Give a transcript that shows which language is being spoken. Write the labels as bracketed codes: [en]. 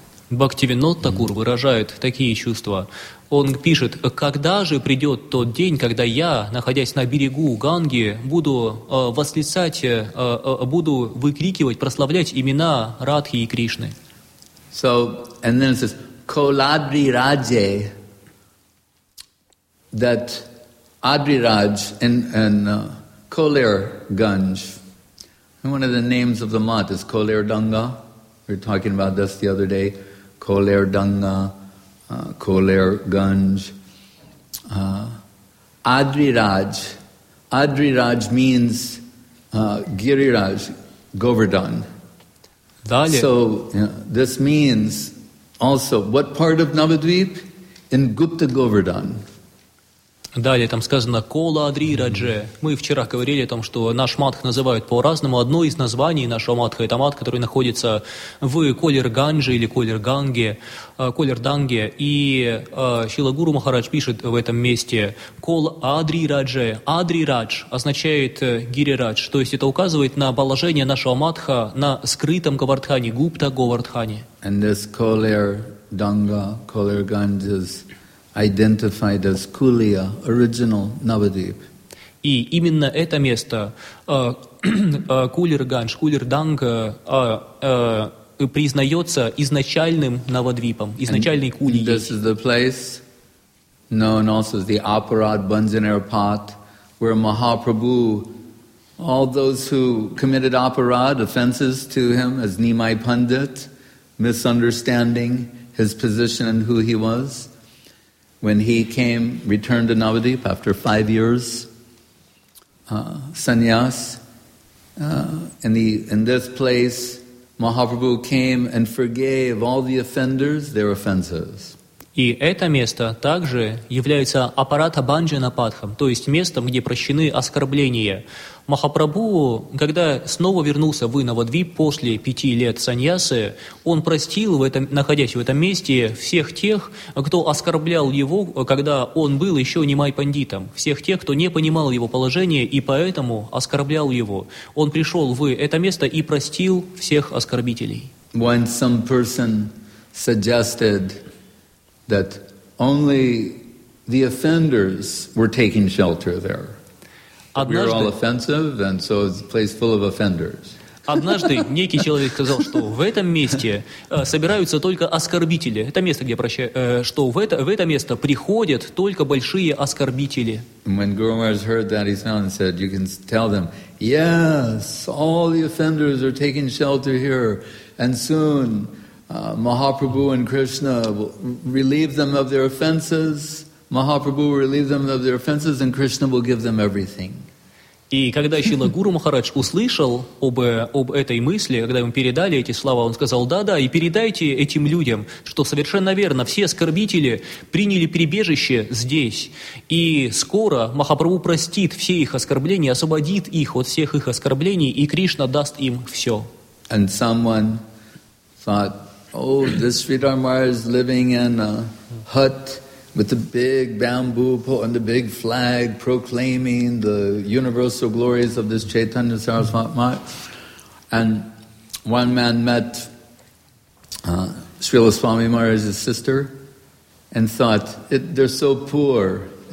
[ru] Бхактивинод Такур выражает такие чувства. Он пишет, когда же придет тот день, когда я, находясь на берегу Ганги, буду восклицать, буду выкрикивать, прославлять имена Радхи и Кришны. [en] So, and then it says, Koladri Raje, that Adri Raj Kolir Ganj. And one of the names of the mat is Kolir Danga. We were talking about this the other day. Kolir Danga, Kolir Ganj. Adriraj. Adriraj means Giriraj, Govardhan. [ru] Dalia. [en] So this means also what part of Navadvip? In Gupta Govardhan. [ru] Далее там сказано «Кола Адри Радже». Мы вчера говорили о том, что наш матх называют по-разному. Одно из названий нашего матха – это матх, который находится в Колер Ганже или Колер Ганге, Колер Данге. И Шрила Гуру Махарадж пишет в этом месте «Кол Адри Радже». «Адри Радж» означает «Гири Радж». То есть это указывает на положение нашего матха на скрытом Говардхане, Гупта Говардхане. [en] And this Колер Данга, Колер Ганге is identified as Kulia, original Navadvip. [ru] И именно это место, Кулир Ганж, Кулир Данга, признается изначальным Навадвипом, изначальной Кулией. [en] This is the place known also as the Aparad Bhanjanair Pat, where Mahaprabhu, all those who committed Aparad, offenses to him as Nimai Pandit, misunderstanding his position and who he was, when he came, returned to Navadvip after 5 years, sannyas, in this place, Mahaprabhu came and forgave all the offenders their offenses. [ru] И это место также является аппарата Банджана Патхам, то есть местом, где прощены оскорбления. Махапрабху, когда снова вернулся в Навадвип после 5 лет саньясы, он простил, находясь в этом месте, всех тех, кто оскорблял его, когда он был еще нимай-пандитом, всех тех, кто не понимал его положение и поэтому оскорблял его. Он пришел в это место и простил всех оскорбителей. [en] When some person suggested that only the offenders were taking shelter there. [ru] Однажды, [en] we were all offensive, and so it's a place full of offenders. [ru] Однажды некий человек сказал, что в этом месте собираются только оскорбители. Это место, где что в это место приходят только большие оскорбители. [en] When Guru Maharaj heard that, he smiled and said, "You can tell them, yes, all the offenders are taking shelter here, and soon Mahaprabhu and Krishna relieve them of their offenses. Mahaprabhu will relieve them of their offenses, and Krishna will give them everything. [ru] И когда Шрила Гуру Махарадж услышал об этой мысли, когда ему передали эти слова, он сказал: «Да-да, и передайте этим людям, что совершенно верно, все оскорбители приняли прибежище здесь, и скоро Махапрабху простит все их оскорбления, освободит их от всех их оскорблений, и Кришна даст им все». [en] And someone thought, oh, this Sridhar Maharaj is living in a hut with a big bamboo pole and a big flag proclaiming the universal glories of this Chaitanya Sarasvati Maharaj. And one man met Srila Swami Maharaj's sister and thought, they're so poor.